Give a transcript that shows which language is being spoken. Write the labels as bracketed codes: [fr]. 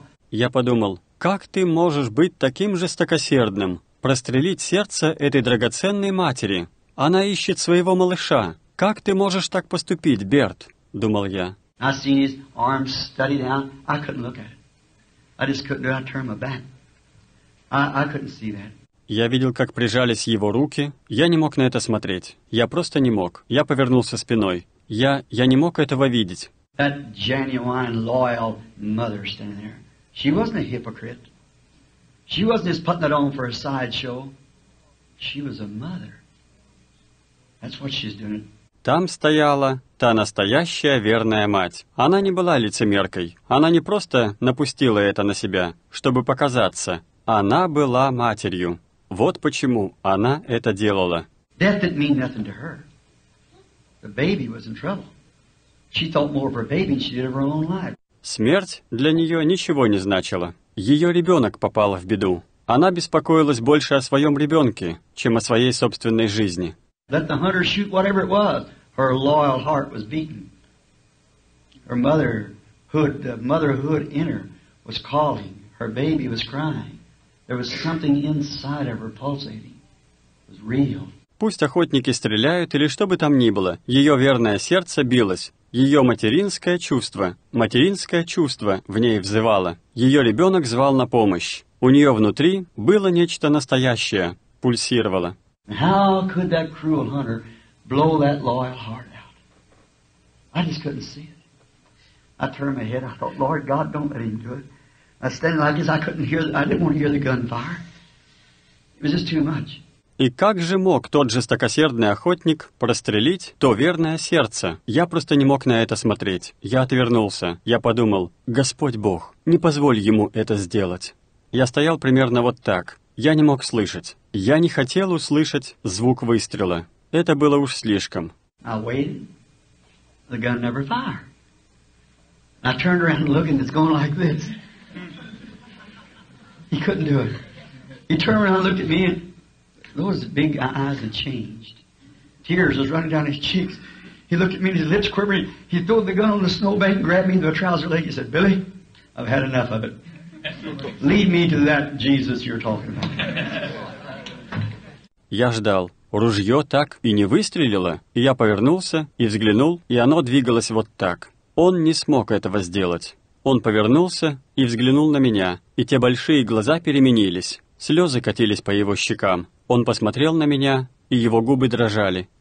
[ru] Я подумал, как ты можешь быть таким жестокосердным, прострелить сердце этой драгоценной матери? Она ищет своего малыша. Как ты можешь так поступить, Берт? Думал я. [en] I seen his arms study down. I couldn't look at it. I just couldn't turn my back. I couldn't see that. [ru] Я видел, как прижались его руки. Я не мог на это смотреть. Я просто не мог. Я повернулся спиной. Я не мог этого видеть. [en] That genuine, loyal mother standing there. She wasn't a hypocrite. She wasn't just putting it on for a sideshow. She was a mother. That's what she's doing. [ru] Там стояла та настоящая верная мать. Она не была лицемеркой. Она не просто напустила это на себя, чтобы показаться. Она была матерью. Вот почему она это делала. [en] Death didn't mean nothing to her. The baby was in trouble. She thought more of her baby than she did of her own life. [ru] Смерть для нее ничего не значила. Ее ребенок попал в беду. Она беспокоилась больше о своем ребенке, чем о своей собственной жизни. [en] Let the hunter shoot whatever it was. Her loyal heart was beaten. Her motherhood, the motherhood in her was calling. Her baby was crying. There was something inside of her pulsating. It was real. [ru] Пусть охотники стреляют или что бы там ни было, ее верное сердце билось. Ее материнское чувство в ней взывало. Ее ребенок звал на помощь. У нее внутри было нечто настоящее, пульсировало. [en] How could that cruel hunter blow that loyal heart out? I just couldn't see it. I turned my head. I thought, Lord God, don't let him do it. I stand like this. I didn't want to hear the gunfire. It was just too much. [ru] И как же мог тот жестокосердный охотник прострелить то верное сердце? Я просто не мог на это смотреть. Я отвернулся. Я подумал, Господь Бог, не позволь ему это сделать. Я стоял примерно вот так. Я не мог слышать. Я не хотел услышать звук выстрела. Это было уж слишком. [en] I waited. The gun never fired. I turned around and looked, and it's going like this. He couldn't do it. He turned around and looked at me, and those big eyes had changed. Tears was running down his cheeks. He looked at me, and his lips quivering. He threw the gun on the snowbank and grabbed me into a trouser leg. He said, Billy, I've had enough of it. Lead me to that Jesus you're talking about. [ru] Я ждал. Ружье так и не выстрелило, и я повернулся и взглянул, и оно двигалось вот так. Он не смог этого сделать. Он повернулся и взглянул на меня, и те большие глаза переменились. Слезы катились по его щекам. Он посмотрел на меня, и его губы дрожали.